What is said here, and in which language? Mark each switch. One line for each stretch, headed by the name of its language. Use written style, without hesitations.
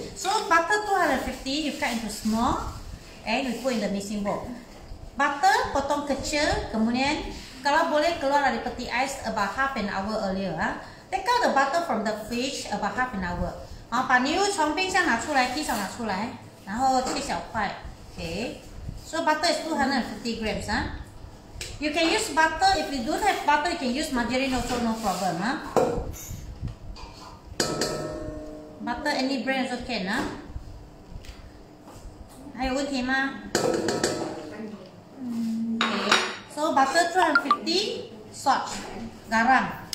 English: So butter 250, you cut into small, and you put in the mixing bowl.
Malay: Butter potong kecil, kemudian kalau boleh keluar dari peti ais
English: about half an hour earlier ah. Take out the butter from the fridge about half an hour.
Chinese: 好，把牛肉从冰箱拿出来，地上拿出来，然后切小块。
English: Okay. So butter is 250 grams. Huh? You can use butter. If you don't have butter, you can use margarine also, no problem. Huh? Butter any brand is okay. Huh?
Chinese: 还有问题吗？
English: Okay. So butter 250, salt, garam.